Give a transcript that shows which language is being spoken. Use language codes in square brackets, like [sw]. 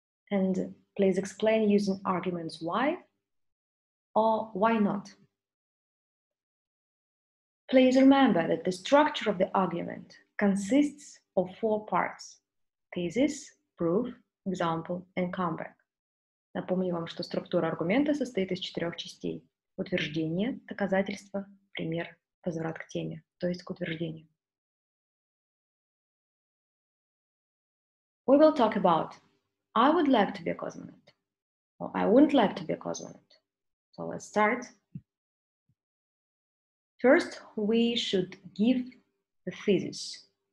[en] And please explain using arguments why or why not. Please remember that the structure of the argument consists of four parts: thesis, proof, example, and comeback. [ru] Напомню вам, что структура аргумента состоит из четырех частей: утверждение, доказательство, пример, возврат к теме, то есть к утверждению. [en] We will talk about I would like to be a cosmonaut or I wouldn't like to be a cosmonaut. So let's start. First, we should give the thesis.